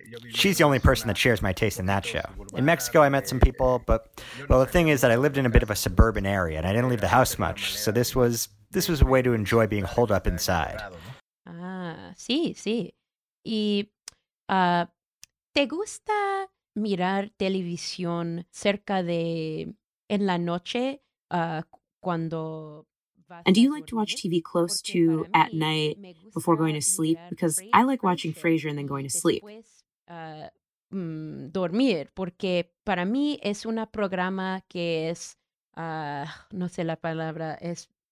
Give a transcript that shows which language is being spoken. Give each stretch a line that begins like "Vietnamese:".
English: She's the only person that shares my taste in that show. In Mexico, I met some people, but, well, the thing is that I lived in a bit of a suburban area, and I didn't leave the house much, so this was a way to enjoy being holed up inside.
Spanish: Ah, sí, sí. Y, ¿te gusta mirar televisión cerca de, en la noche, cuando...
English: And do you like to watch TV close to at night before going to sleep? Because I like watching Frasier and then going to sleep.
Spanish: Dormir, porque para mí es un programa que es, no sé la palabra, es